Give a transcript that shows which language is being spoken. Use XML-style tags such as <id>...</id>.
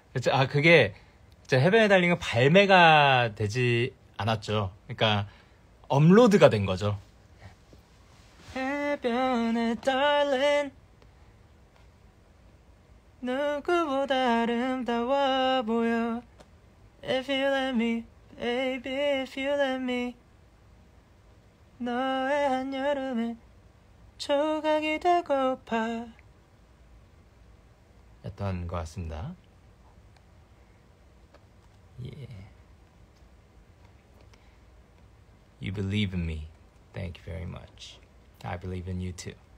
<ko>아, 그게, 해변에 달린 건 발매가 되지 않았죠. 그러니까, 업로드가 된 거죠. 해변에 달린, 누구보다 아름다워 보여.</ko> <en>If you let me, baby, if you let me.</en> <ko>너의 한여름에 조각이 되고파. 했던 것 같습니다. 예.</ko> <en>You believe in me. Thank you very much. I believe in you too.</en>